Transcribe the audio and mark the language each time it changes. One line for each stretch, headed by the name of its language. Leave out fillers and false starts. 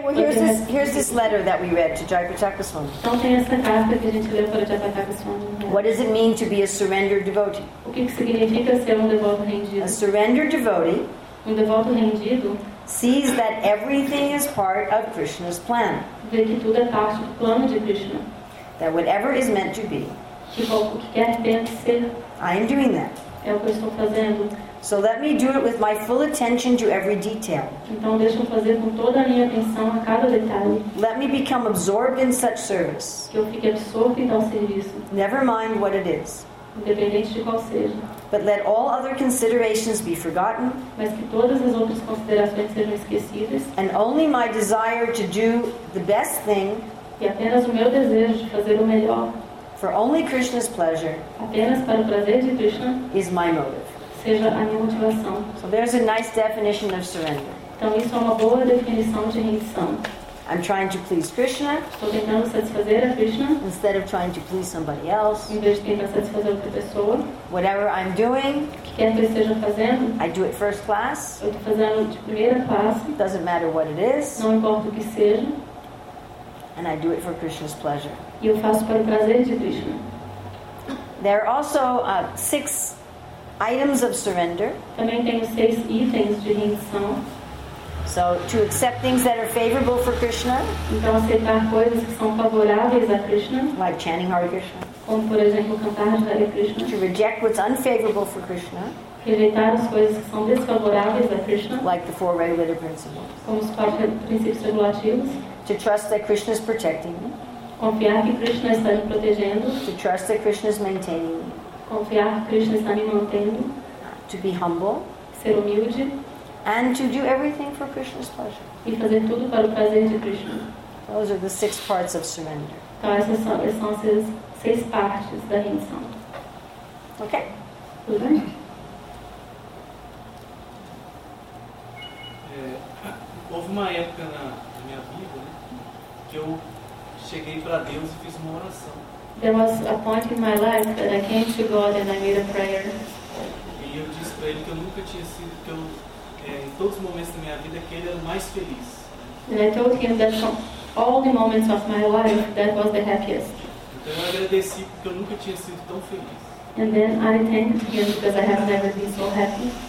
English: Well, here's this letter that we read to Jai Prataka Swami. What does it mean to be a surrendered devotee?
Portuguese: O que significa ser devoto rendido?
English: A surrendered devotee.
Portuguese: Devoto rendido.
English: Sees that everything is part of Krishna's plan.
Portuguese: Vê que tudo é parte do plano de Krishna.
English: That whatever is meant to be.
Portuguese: Que quer ser.
English: I am doing that.
Portuguese: É o que eu estou fazendo.
English: So let me do it with my full attention to every detail.
Portuguese: Então deixa eu fazer com toda a minha atenção a cada detalhe.
English: Let me become absorbed in such service.
Portuguese: Que eu fique absorto em tal serviço.
English: Never mind what it is.
Portuguese: Independente de qual seja.
English: But let all other considerations be forgotten.
Portuguese: Mas que todas as outras considerações sejam esquecidas.
English: And only my desire to do the best thing.
Portuguese: E apenas o meu desejo de fazer o melhor.
English: For only Krishna's pleasure
Portuguese: apenas para o prazer de Krishna
English: is my motive.
Portuguese: Seja a minha motivação.
English: So there's a nice definition of surrender.
Portuguese: Então isso é uma boa definição de rendição.
English: I'm trying to please Krishna.
Portuguese: Estou tentando satisfazer a Krishna.
English: Instead of trying to please somebody else.
Portuguese: Em vez de tentar satisfazer outra pessoa.
English: Whatever I'm doing.
Portuguese: Que quer que eu esteja fazendo.
English: I do it first class.
Portuguese: Eu estou fazendo de primeira classe.
English: Doesn't matter what it is.
Portuguese: Não importa o que seja.
English: And I do it for Krishna's pleasure.
Portuguese: Eu faço para o prazer de Krishna.
English: There are also six items of surrender.
Portuguese: Também tenho seis itens de rendição.
English: So to accept things that are favorable for Krishna.
Portuguese: Então aceitar coisas que são favoráveis a Krishna.
English: Like chanting Hare Krishna.
Portuguese: Como por exemplo cantar Hare Krishna.
English: To reject what's unfavorable for Krishna.
Portuguese: rejeitar as coisas que são desfavoráveis a Krishna,
English: like the four regulator principles,
Portuguese: como os quatro princípios regulativos,
English: to trust that Krishna is protecting me,
Portuguese: confiar que Krishna está me protegendo,
English: to trust that Krishna is maintaining me,
Portuguese: confiar que Krishna está me mantendo,
English: to be humble,
Portuguese: ser humilde,
English: and to do everything for Krishna's pleasure,
Portuguese: e fazer tudo para o prazer de Krishna.
English: Those are the six parts of surrender.
Portuguese: Então essas são as seis partes da rendição.
English: Ok?
Portuguese: Tudo bem? É, houve uma época na minha vida, né, que eu cheguei para Deus e fiz uma oração.
English: There was a point in my life that I came to God and I made a prayer.
Portuguese: E eu disse para Ele que eu nunca tinha sido, que eu, em todos os momentos da minha vida, que Ele era o mais feliz.
English: And I told Him that from all the moments of my life, that was the happiest.
Portuguese: Então eu agradeci porque eu nunca tinha sido tão feliz.
English: And then I thanked Him because I have never been so happy.